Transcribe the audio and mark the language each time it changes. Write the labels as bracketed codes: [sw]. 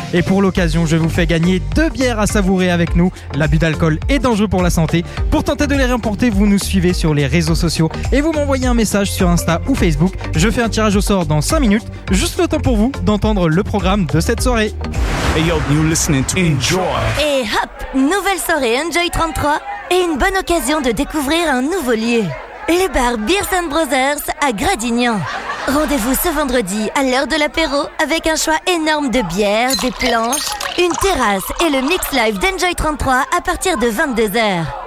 [fr] Et pour l'occasion, je vous fais gagner 2 bières à savourer avec nous. L'abus d'alcool est dangereux pour la santé. Pour tenter de les remporter, vous nous suivez sur les réseaux sociaux et vous m'envoyez un message sur Insta ou Facebook. Je fais un tirage au sort dans 5 minutes, juste le temps pour vous d'entendre le programme de cette soirée. [en] Hey yo, you listening to Enjoy. [fr] Et hop, nouvelle soirée Enjoy 33. Et une bonne occasion de découvrir un nouveau lieu. Le bar Beers & Brothers à Gradignan. Rendez-vous ce vendredi à l'heure de l'apéro avec un choix énorme de bières, des planches, une terrasse et le mix live d'Enjoy 33 à partir de 22h.